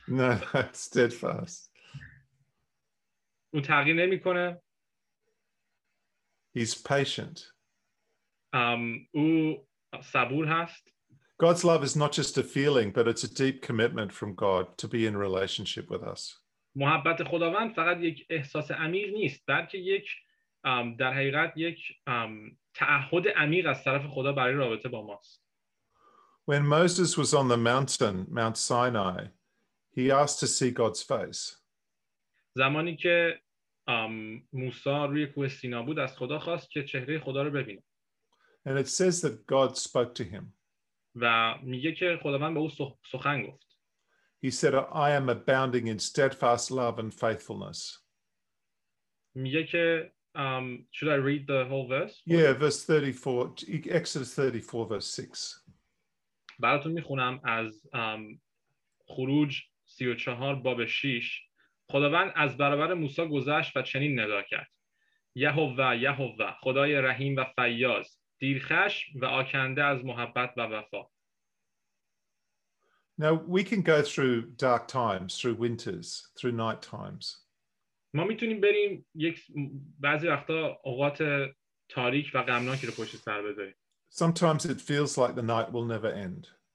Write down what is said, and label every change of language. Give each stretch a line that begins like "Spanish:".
English: No, steadfast.
Persian: او تغییر نمی کنه.
English: He's patient.
Persian: او صبور هست.
English: God's love is not just a feeling, but it's a deep commitment from God to be in relationship with us.
Persian: محبت خداوند فقط یک احساس عمیق نیست، بلکه یک در حقیقت یک تعهد عمیق از طرف خدا برای رابطه با ماست.
English: When Moses was on the mountain, Mount Sinai, he asked to see God's face.
Persian: زمانی که موسی روی کوه سینا بود، از خدا خواست که چهره خدا رو ببینه.
English: And it says that God spoke to him.
Persian: و میگه که خداوند به او سخن گفت.
English: He said, "I am abounding in steadfast love and faithfulness."
Persian: میگه که
English: should I read the whole verse? Yeah, verse 34, Exodus 34, verse 6.
Persian: براتون میخونم از خروج 34 باب 6. خداوند از برابر موسی گذشت و چنین ندا کرد. یهوه یهوه خدای رحیم و فیاض، دیرخشم و آکنده از محبت و وفا.
English: Now we can go through dark times, through winters, through night times.
Persian: ما میتونیم بریم یک بعضی وقتا اوقات تاریک و غمناکی رو پشت سر بذاریم.
English: Sometimes it feels like the night will never end.